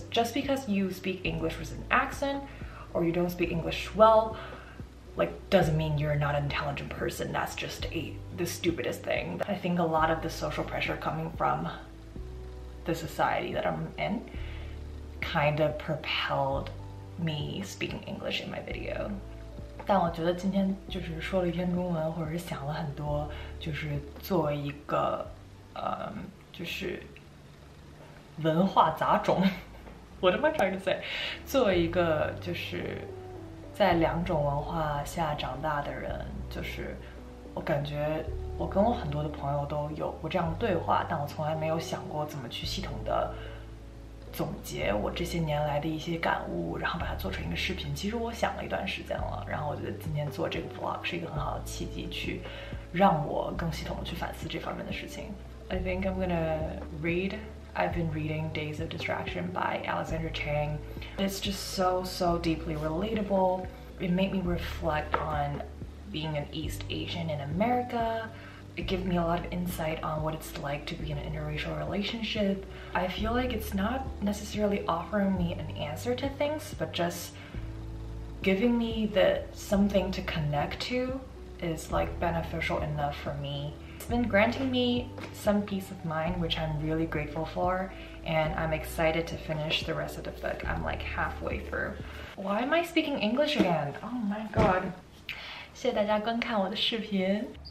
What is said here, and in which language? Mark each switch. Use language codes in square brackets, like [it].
[en] Just because you speak English with an accent or you don't speak English well, like, doesn't mean you're not an intelligent person. That's just the stupidest thing. I think a lot of the social pressure coming from the society that I'm in kind of propelled me speaking English in my video. [zh] 但我觉得今天就是说了一篇中文，或者是想了很多，就是作为一个，就是文化杂种。 [en] What am I trying to say? [zh] 作为一个就是在两种文化下长大的人，就是我感觉我跟我很多的朋友都有过这样的对话，但我从来没有想过怎么去系统的总结我这些年来的一些感悟，然后把它做成一个视频。其实我想了一段时间了，然后我觉得今天做这个 vlog 是一个很好的契机，去让我更系统的去反思这方面的事情。 [en] I think I'm gonna read I've been reading Days of Distraction by Alexander Chang. It's just so, so deeply relatable. It made me reflect on being an East Asian in America. It gave me a lot of insight on what it's like to be in an interracial relationship. I feel like it's not necessarily offering me an answer to things, but just giving me something to connect to is like beneficial enough for me. It's been granting me some peace of mind, which I'm really grateful for, and I'm excited to finish the rest of the book. I'm like halfway through. Why am I speaking English again? Oh my god. [zh] 谢谢大家观看我的视频。